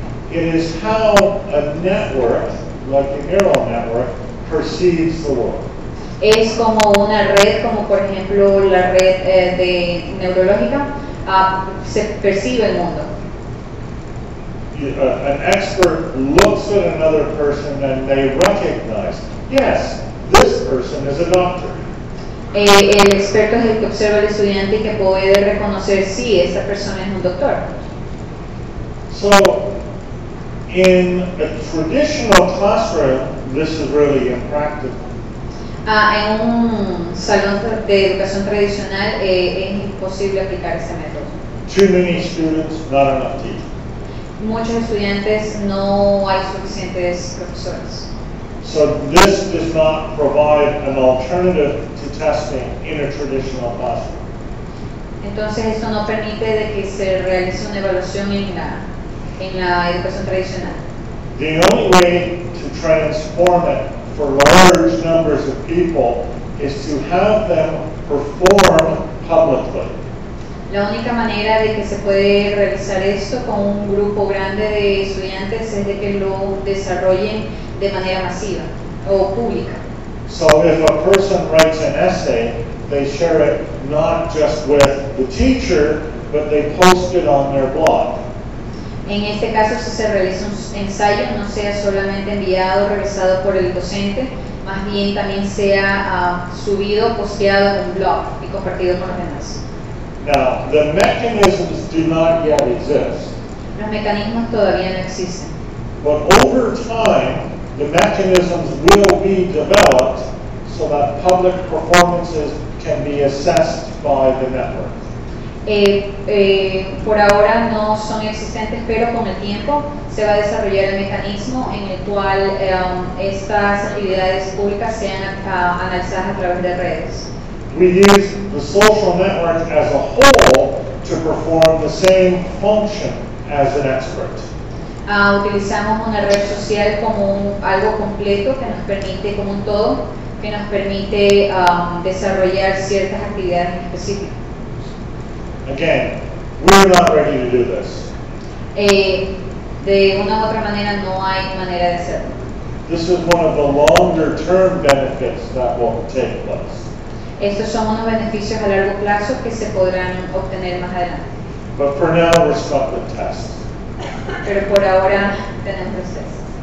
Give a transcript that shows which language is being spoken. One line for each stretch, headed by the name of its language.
English: It is how a network, like the neural network, perceives the world.
Spanish: Es como una red, como por ejemplo la red de neurológica, se percibe el mundo.
English: An expert looks at another person and they recognize, yes, this person is a doctor.
Spanish: El experto es el que observa al estudiante y que puede reconocer si esa persona es un doctor.
English: So, in a traditional classroom, this is really impractical.
Spanish: En un salón de educación tradicional, es imposible aplicar ese método.
English: Too many students, not enough teachers.
Spanish: Muchos estudiantes, no hay suficientes profesores.
English: So this does not provide an alternative to testing in a traditional classroom.
Spanish: Entonces esto no permite de que se realice una evaluación en la educación tradicional.
English: The only way to transform it for large numbers of people is to have them perform publicly.
Spanish: La única manera de que se puede realizar esto con un grupo grande de estudiantes es de que lo desarrollen de manera masiva o pública.
English: So if a person writes an essay, they share it not just with the teacher, but they post it on their blog.
Spanish: En este caso, si se realiza un ensayo, no sea solamente enviado o revisado por el docente, más bien también sea subido, posteado en un blog y compartido con los demás.
English: Now, the mechanisms do not yet exist.
Spanish: Los mecanismos todavía no existen.
English: But over time, the mechanisms will be developed so that public performances can be assessed by the network.
Spanish: Por ahora no son existentes, pero con el tiempo se va a desarrollar el mecanismo en el cual estas actividades públicas sean analizadas a través de redes.
English: We use the social network as a whole to perform the same function as an expert.
Spanish: Utilizamos una red social como algo completo que nos permite, como un todo, que nos permite desarrollar ciertas actividades específicas.
English: Again, we're not ready to do this.
Spanish: De una u otra manera, no hay manera de hacerlo.
English: This is one of the longer term benefits that will take place.
Spanish: Estos son unos beneficios a largo plazo que se podrán obtener más adelante.
English: But for now, we're stuck with tests.
Spanish: Pero por ahora tenemos los tests.